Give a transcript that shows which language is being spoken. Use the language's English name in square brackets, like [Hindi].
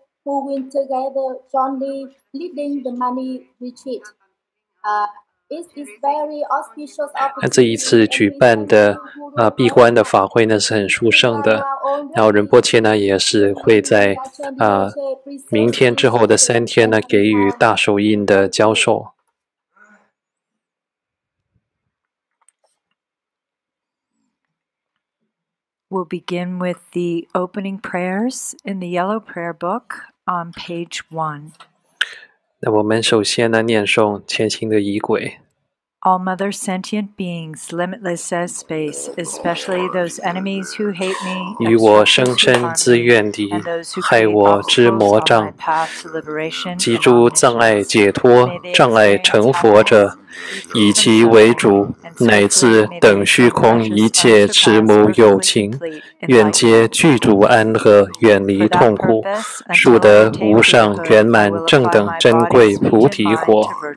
[English] Who went together jointly leading the money retreat? This is very auspicious. [Chinese] 那这一次举办的闭关的法会呢，是很殊胜的。然后仁波切呢，也是会在明天之后的三天呢，给予大手印的教授。 [English] We'll begin with the opening prayers in the yellow prayer book on page 1. [Chinese] 那我们首先呢念诵千行的仪轨。 [English] All mother sentient beings, limitless as space, especially those enemies who hate me, [Chinese] 与我生身自愿地害我之魔障，及诸障碍解脱、障碍成佛者，以其为主，乃至等虚空一切慈母有情，愿皆具足安乐，远离痛苦，速得无上圆满正等珍贵菩提果。